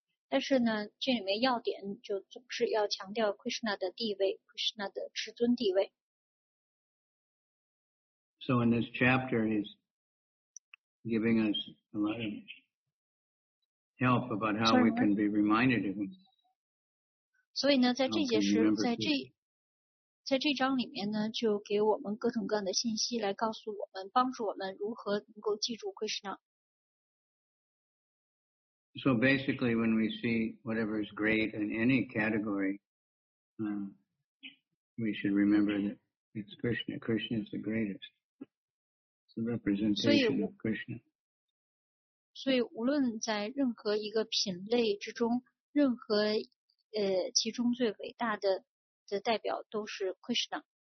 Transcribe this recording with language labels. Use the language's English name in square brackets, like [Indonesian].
[Chinese] 但是呢, 这里面要点就总是要强调 Krishna的地位, Krishna的至尊地位。 [English] So in this chapter, he's giving us a lot of help about how we can be reminded of him. [Chinese] 所以呢, 在这节时, 在这, 在这章里面呢, 就给我们各种各样的信息 来告诉我们, 帮助我们如何能够记住 Krishna. [English] So basically when we see whatever is great in any category, we should remember that it's Krishna. Krishna is the greatest. It's the representation of Krishna. [Chinese] 所以无论在任何一个品类之中, 任何, 其中最伟大的, 的代表都是 Krishna.